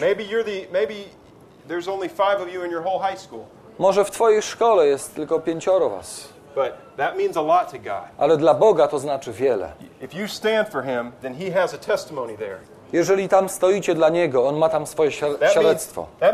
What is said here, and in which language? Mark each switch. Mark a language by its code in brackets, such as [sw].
[en] Maybe there's only five of you in your whole high school. [pl] Może w Twojej szkole jest tylko pięcioro was. [en] But that means a lot to God. [pl] Ale dla Boga to znaczy wiele. [en] If you stand for him, then he has a testimony there. [pl] Jeżeli tam stoicie dla Niego, On ma tam swoje świadectwo.